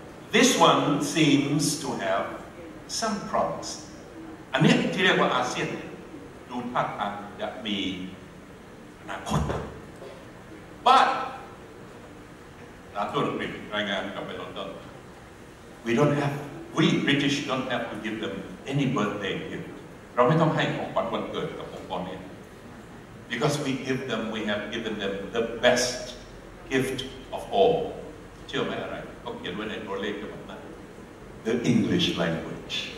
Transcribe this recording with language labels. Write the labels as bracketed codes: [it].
[en] This one seems to have some promise. [th] อันนี้ที่เรียกว่าอาเซียนดูท่าทางจะมีอนาคต But ตามตัวหนังสือรายงานกลับไปลอนดอน [en] we don't have. We British don't have to give them any birthday gift. [th] เราไม่ต้องให้ของขวัญวันเกิดกับองค์กรนี้ [en] because we give them, we have given them the best gift of all. [th] เชื่อไหมอะไรเขาเขียนไว้ในตัวเลขแบบนั้น [en] the English language.